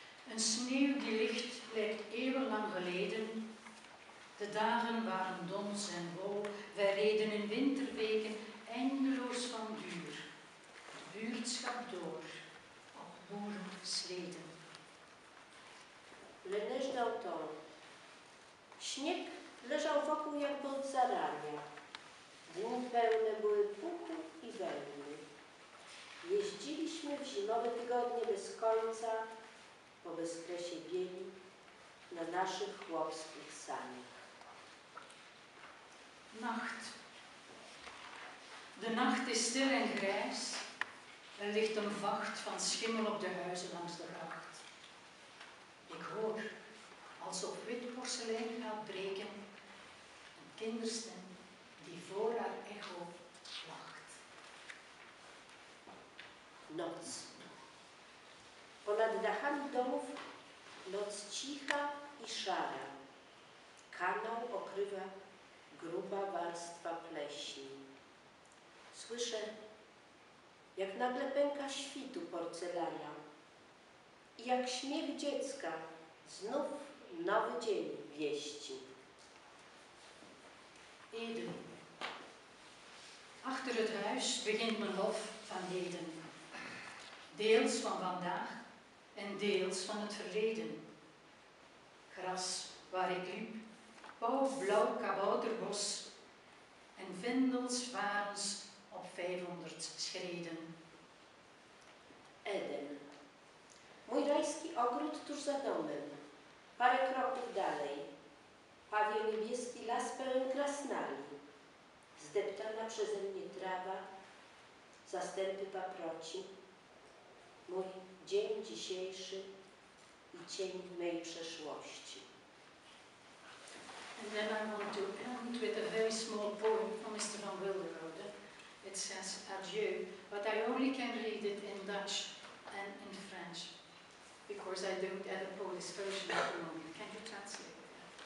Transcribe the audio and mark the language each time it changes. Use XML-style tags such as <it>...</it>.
<nl>Een sneeuw die ligt, lijkt eeuwenlang geleden. De dagen waren dons en wol. Wij reden in winterweken eindeloos van duur. Het buurtschap door, op boeren sleden.</nl> <fr>Le neige d'automne.</fr> <pl>Śnieg leżał wokół jak pod zarania. Dni pełne były puchu i wełny. Jeździliśmy w zimowe tygodnie bez końca po bezkresie bieli na naszych chłopskich saniach.</pl> <nl>Nacht. De nacht is stil en grijs. Er ligt een vacht van schimmel op de huizen langs de gracht. Ik hoor, alsof wit porselein gaat breken, een kinderstem die voor haar echo lacht.</nl> <pl>Noc. Ponad dachami domów noc cicha i szara. Kanał okrywa gruba warstwa pleśni. Słyszę, jak nagle pęka świtu porcelana i jak śmiech dziecka znów nowy dzień wieści.</pl> <nl>Eden. Achter het huis begint mijn hof van Eden. Deels van vandaag en deels van het verleden. Gras waar ik liep, pauwblauw kabouterbos en vindels varens op 500 schreden.</nl> <pl>Eden. Mój rajski ogród tuż za domem, parę kroków dalej. Pawie niebieski las pełen krasnali. Zdeptana przeze mnie trawa, zastępy paproci. Mój dzień dzisiejszy i cień mej przeszłości.</pl> <en>And then I want to end with a very small poem from Mr. Van Wilderode. It says adieu, but I only can read it in Dutch and in French, because I don't have a Polish version at the moment. Can you translate it?</en>